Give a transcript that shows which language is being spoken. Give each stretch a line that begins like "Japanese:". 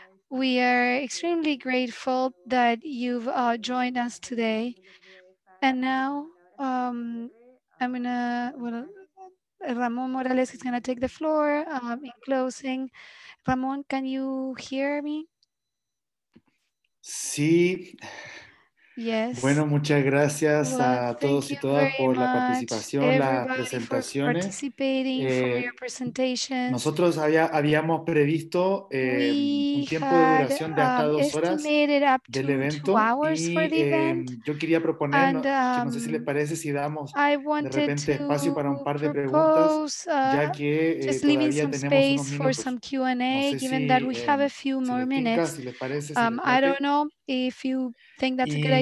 English: We are extremely grateful that you've joined us today. And now Ramón Morales is going to take the floor in closing. Ramón, can you hear me?
Spanish: Sí.
English: Yes.
Spanish: Bueno, muchas gracias a todos y todas por la participación, las presentaciones. Nosotros habíamos previsto un tiempo de duración de hasta dos horas del evento y yo quería proponer, no sé si les parece, si damos de repente espacio para un par de preguntas, ya que todavía tenemos unos minutos. No sé si les pinta, si les parece.
English: I don't know if you think that's a good idea.